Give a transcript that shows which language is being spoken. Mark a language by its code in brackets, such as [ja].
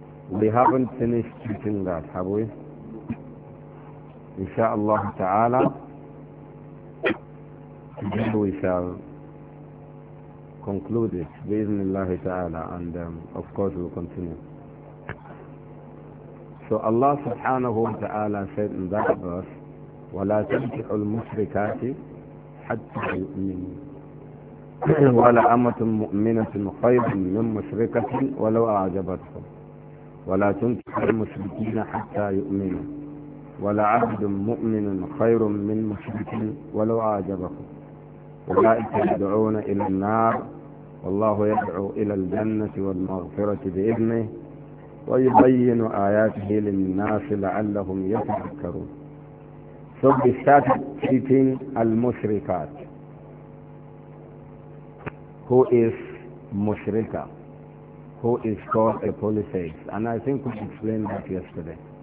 [en] We haven't finished reading that, have we? Insha'Allah Ta'ala, then we shall conclude it, bi-ithnillah Ta'ala, and of course we'll continue. So Allah Subhanahu Wa Ta'ala said in that verse, [ar] وَلَا تَنْكِحُ الْمُشْرِكَاتِ حَتَّى يُؤْمِنُوا وَلَا أَمَةٌ مُؤْمِنَةٌ خَيْرٌ مِنْ مُشْرِكَةٍ وَلَوْ أَعْجَبَتْكُمْ وَلَا تَنْكِحُ الْمُشْرِكِينَ حَتَّى يُؤْمِنُوا ولعبد مؤمن خير من مشرك ولو أعجبكم أولئك يدعون إلى النار والله يدعو إلى الجنة والمغفرة بإذنه ويبين آياته للناس لعلهم يتذكرون. [en] So we started treating المشركات. Who is مشركة? Who is called a polytheist? And I think we explained that yesterday.